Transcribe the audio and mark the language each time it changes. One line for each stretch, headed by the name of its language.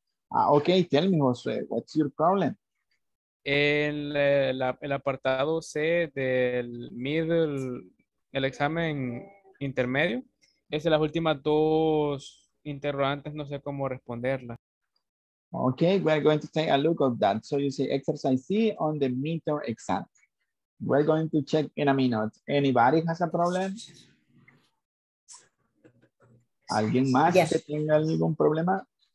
English: Ah, okay, tell me, Jose, what's your problem?
Spanish: El apartado C del middle, el examen intermedio, es de las últimas dos interrogantes, no sé cómo responderla.
English: Okay, we're going to take a look at that. So you see exercise C on the midterm exam. We're going to check in a minute. Anybody has a problem?
Spanish: ¿Alguien más yes. que tenga algún problema?